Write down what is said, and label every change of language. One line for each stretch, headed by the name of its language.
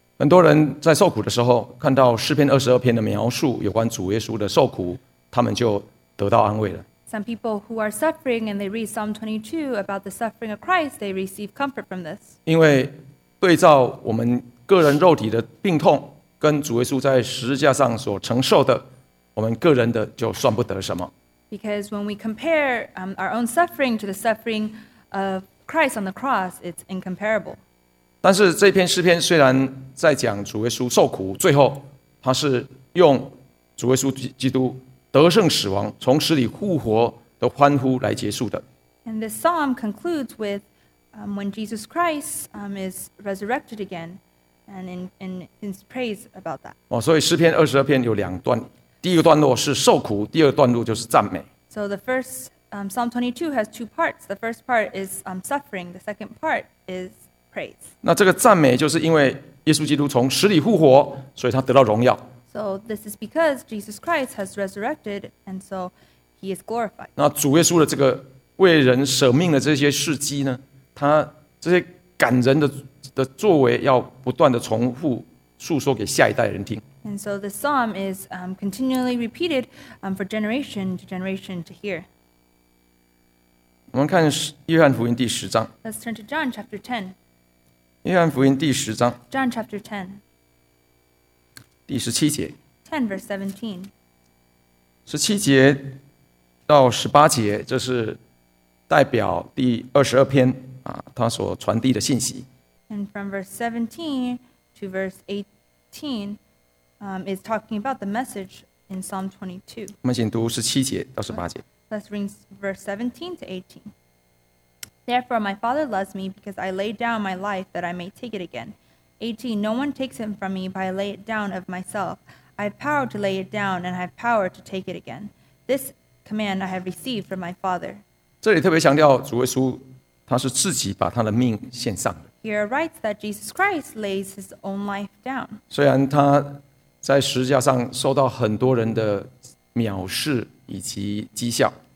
Chinese: 很多人在受苦的时候，看到诗篇二十二篇的描述有关主耶稣的受苦，他们就得到安慰了。
English: Some people who are suffering and they read Psalm 22 about the suffering of Christ, they receive comfort from this.
Chinese: 因为对照我们个人肉体的病痛跟主耶稣在十字架上所承受的，我们个人的就算不得什么。
English: Because when we compare our own suffering to the suffering of Christ on the cross, it's incomparable.
Chinese: 但是这篇诗篇虽然在讲主耶稣受苦，最后他是用主耶稣基督得胜死亡，从死里复活的欢呼来结束的。
English: And this psalm concludes with when Jesus Christ is resurrected again, and in praise about that.
Chinese: 所以诗篇二十二篇有两段，第一个段落是受苦，第二段落就是赞美。
English: So the first Psalm 22 has two parts. The first part is suffering. The second part is praise.
Chinese: 那这个赞美就是因为耶稣基督从死里复活，所以他得到荣耀。
English: So this is because Jesus Christ has resurrected, and so he is glorified.
Chinese: 那主耶稣的这个为人舍命的这些事迹呢，他这些感人 的作为要不断的重复述说给下一代人听。
English: And so the psalm is continually repeated for generation to generation to hear.
Chinese: 我们看约翰福音第十章。
English: Let's turn to John chapter 10.
Chinese: 约翰福音第十章。
English: John chapter 10.
Chinese: 第十七节
English: 10 verse 17
Chinese: 十七节到十八节，这是代表第二十二篇他所传递的信息。
English: And from verse 17 to verse 18 is talking about the message in Psalm 22.
Chinese: 我们请读十七节到十八节。
English: Let's read verse 17 to 18. Therefore my Father loves me because I lay down my life that I may take it again. 18, no one takes him from me, but I lay it down of myself. I have power to lay it down, and I have power to take it again. This command I have received from my Father.
Chinese: 这里特别强调主耶稣，他是自己把他的命献上的。
English: Here it writes that Jesus Christ lays his own life down.
Chinese: 虽然他在十字架上受到很多人的藐视以及讥笑。